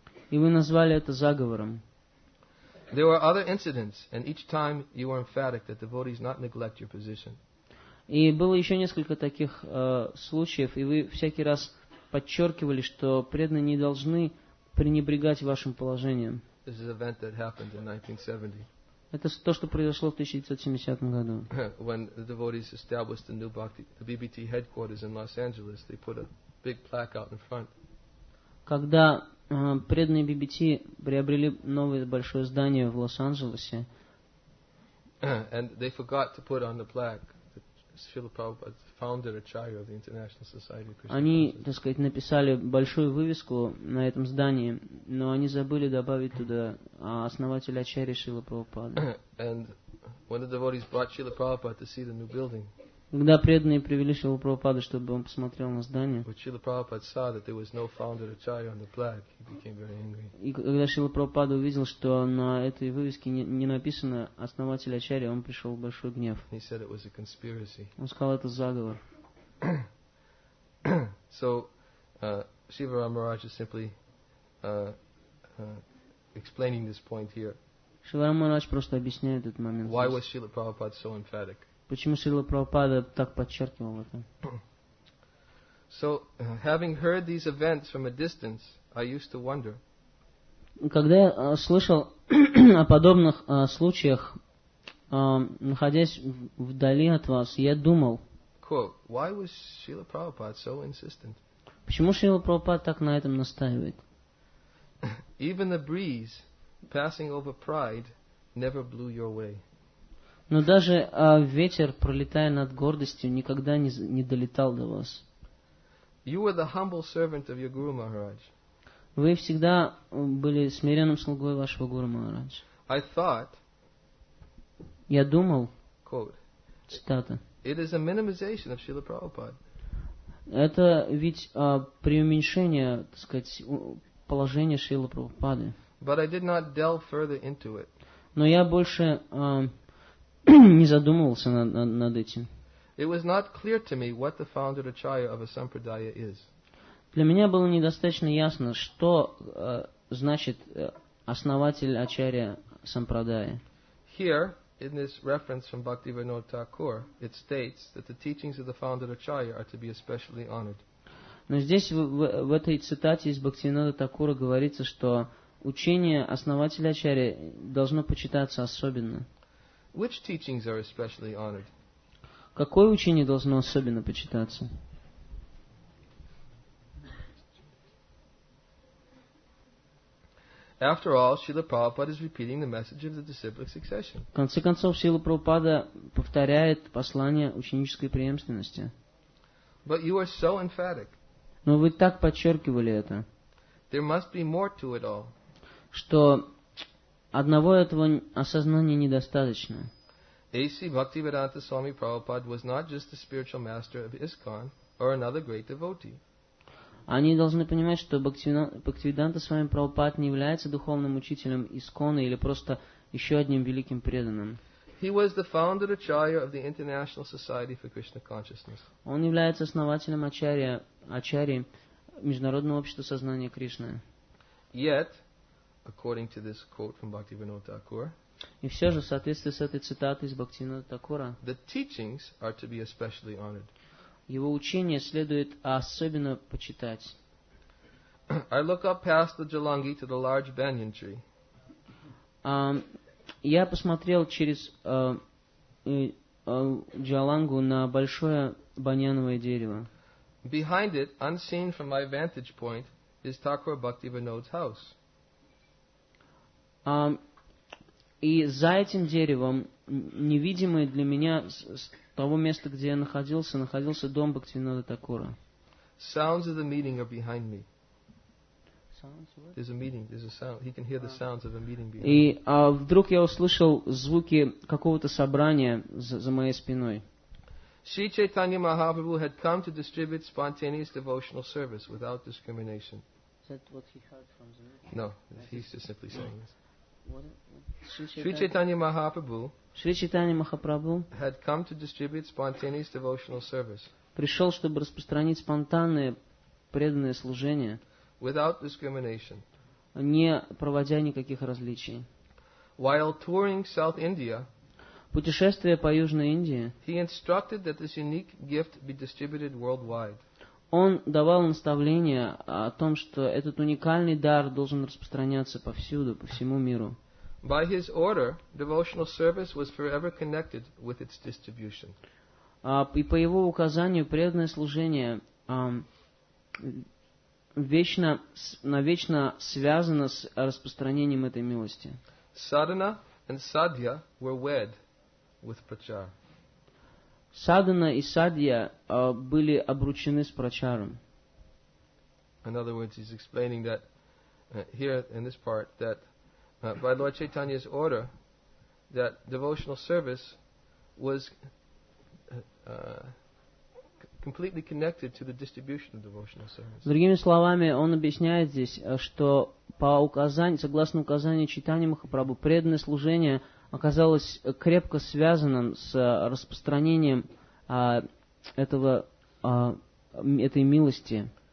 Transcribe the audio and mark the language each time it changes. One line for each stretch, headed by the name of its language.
Russian: И вы назвали это заговором.
English: There were other incidents, and each time you were emphatic that devotees not neglect your position.
Russian: И было еще несколько таких случаев, и вы всякий раз подчеркивали, что преданные не должны пренебрегать вашим положением.
English: This is an event that happened in 1970.
Russian: Это то, что произошло в 1970 году.
English: When the devotees established the new Bhakti, the BBT headquarters in Los Angeles, they put a big plaque out in front.
Russian: Когда преданные BBT приобрели новое большое здание в Лос-Анджелесе.
English: And they forgot to put on the plaque that Srila Prabhupada founded Acharya of the International Society of Krishna.
Russian: Они, так сказать, написали большую вывеску на этом здании, но они забыли добавить туда основателя Ачарьи Шрила Прабхупады.
English: And when the devotees brought Srila Prabhupada to see the new building,
Russian: когда преданные привели Шрилу Прабхупаду, чтобы он посмотрел на здание, и когда Шрила Прабхупада увидел, что на этой вывеске не написано «основатель Ачарьи», он пришел в большой гнев.
English: He said it was a conspiracy.
Russian: Он сказал, это заговор.
English: So, Shiva Ramaraj is simply explaining this point here.
Russian: Шрила Рамарадж просто объясняет этот момент.
English: Why was Shrila Prabhupada so emphatic?
Russian: Почему Шрила Прабхупада так подчеркивал это?
English: So, having heard these events from a distance, I used to wonder.
Russian: Когда я слышал о подобных случаях, находясь вдали от вас, я думал.
English: Quote, why was Srila Prabhupada so insistent?
Russian: Почему Шрила Прабхупада так на этом настаивает?
English: Even the breeze passing over pride never blew your way.
Russian: Но даже ветер, пролетая над гордостью, никогда не долетал до вас.
English: You were the humble servant of your Guru Maharaj.
Russian: Вы всегда были смиренным слугой вашего Гуру Махарадж.
English: I thought,
Russian: я думал,
English: quote,
Russian: цитата,
English: it is a minimization of Srila Prabhupada.
Russian: Это ведь преуменьшение, так сказать, положения Шрилы Прабхупады.
English: But I did not delve further into it.
Russian: Но я больше не задумывался над этим.
English: It was not clear to me what the founder Acharya of a Sampradaya is.
Russian: Для меня было недостаточно ясно, что значит основатель Ачарья Сампрадая.
English: Here, in this reference from Bhaktivinoda Thakur, it states that the teachings of the founder Acharya are to be especially honored.
Russian: Но здесь в этой цитате из Бхактивинода Такура говорится, что учение основателя Ачарьи должно почитаться особенно.
English: Which teachings are especially honored?
Russian: Какое учение должно особенно почитаться?
English: After all, Srila Prabhupada is repeating the message of the disciplic succession.
Russian: В конце концов, Шрила Прабхупада повторяет послание ученической преемственности.
English: But you are so emphatic.
Russian: Но вы так подчеркивали это.
English: There must be more to it all.
Russian: Что одного этого осознания недостаточно.
English: A.C. Bhaktivedanta Swami Prabhupada was not just the spiritual master of ISKCON or another great devotee.
Russian: Они должны понимать, что Бхактивиданта Свами Прабхупада не является духовным учителем ИСККОНа или просто еще одним великим преданным.
English: He was the founder Acharya of the International Society for Krishna Consciousness.
Russian: Он является основателем Ачарьи Международного общества сознания Кришны.
English: Yet, according to this quote from Bhaktivinoda Thakur,
Russian: и все же, в соответствии с этой цитатой из Бхактивинода Такура,
English: the teachings are to be especially honored.
Russian: Его учение следует особенно почитать.
English: I look up past the Jalangi to the large banyan tree.
Russian: Я посмотрел через Джалангу на большое баньяновое дерево.
English: Behind it, unseen from my vantage point, is Thakur Bhaktivinoda's house.
Russian: И за этим деревом, невидимый для меня с того места, где я находился, находился дом Бхактивинода Такура.
English: Sounds of the meeting are behind me. There's a meeting, there's a sound. He can hear the sounds of a meeting behind me.
Russian: И вдруг я услышал звуки какого-то собрания за моей спиной.
English: Sri Chaitanya Mahaprabhu had come to distribute spontaneous devotional service without discrimination. Is that what he heard from the meeting? No, he's just simply saying this. Sri Chaitanya Mahaprabhu, had come to distribute spontaneous devotional service.
Russian: Пришел, чтобы распространить спонтанное преданное служение,
English: without discrimination,
Russian: не проводя никаких различий.
English: While touring South India,
Russian: путешествуя по Южной Индии,
English: he instructed that this unique gift be distributed worldwide.
Russian: Он давал наставление о том, что этот уникальный дар должен распространяться повсюду, по всему миру.
English: By his order, devotional service was forever connected with its distribution.
Russian: И по его указанию преданное служение вечно, навечно связано с распространением этой милости.
English: Sadhana and sadhya were wed with prachar.
Russian: Садхана и садья были обручены с прачаром.
English: In other words, he's explaining that here in this part that by Lord Chaitanya's order that devotional service was completely connected to the distribution of devotional service.
Russian: Другими словами, он объясняет здесь, что по указанию, согласно указанию Чайтаньи Махапрабху, преданное служение оказалось крепко связанным с распространением этого этой милости.